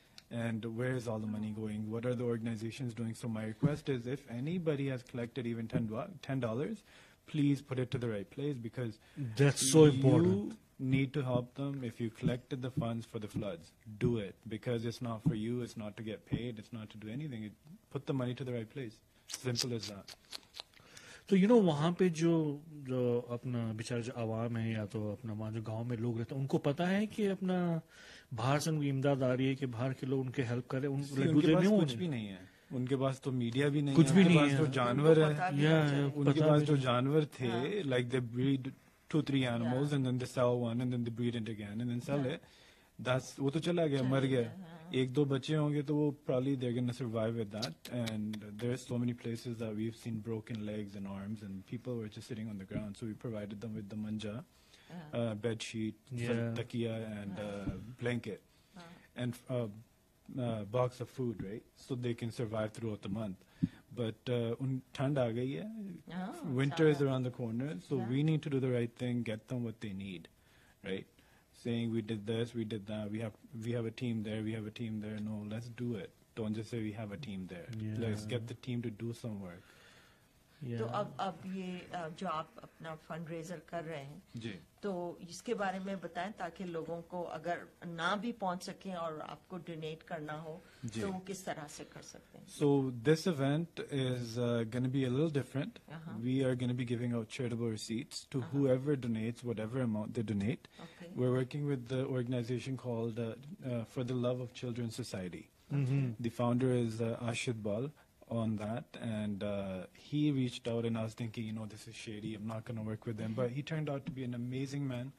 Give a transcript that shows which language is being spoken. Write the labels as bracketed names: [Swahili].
[English] And where is all the money going? What are the organizations doing? So my request is, if anybody has collected even $10, please put it to the right place, because that's so important. You need to help them. If you collected the funds for the floods, do it, because it's not for you. It's not to get paid. It's not to do anything. Put the money to the right place. Simple as that. So, you know, [Hindi] वहाँ पे जो अपना बिचारे जो आवाम है या तो अपना वहाँ जो गांव में लोग रहते हैं उनको पता है कि अपना बाहर से उनकी इमदाद आ रही है कि बाहर के लोग उनके हेल्प करें उन, उनके पास नहीं कुछ भी नहीं है उनके पास तो मीडिया भी नहीं कुछ है कुछ भी उनके नहीं पास तो जानवर है या उनके पास जो जानवर थे [English] like they breed 2-3 animals and then they sell one and then they breed it again and then sell it that's [Hindi] वो तो चला गया मर गया ek do bache honge to wo [English] probably they're going to survive with that, and there are so many places that we've seen broken legs and arms and people were just sitting on the ground, so we provided them with the manja, bed sheet, takiya, and blanket, and a box of food, right, so they can survive throughout the month. But [Hindi] thand aa gayi hai, [English] winter is around the corner, so we need to do the right thing, get them what they need, right? Saying we did this, we did that, we have a team there, we have a team there. No, let's do it. Don't just say we have a team there. Yeah. Let's get the team to do some work. [Hindi] तो अब ये जो आप अपना fundraiser कर रहे हैं, जी, तो इसके बारे में बताएं ताकि लोगों को अगर ना भी पहुंच सकें और आपको donate करना हो, तो वो किस तरह से कर सकते हैं? [English] So this event is going to be a little different. Uh-huh. We are going to be giving out charitable receipts to whoever donates whatever amount they donate. Okay. We're working with the organization called For the Love of Children Society. Mm-hmm. The founder is Ashid Bal. On that, and he reached out, and I was thinking, you know, this is shady, I'm not going to work with him, but he turned out to be an amazing man.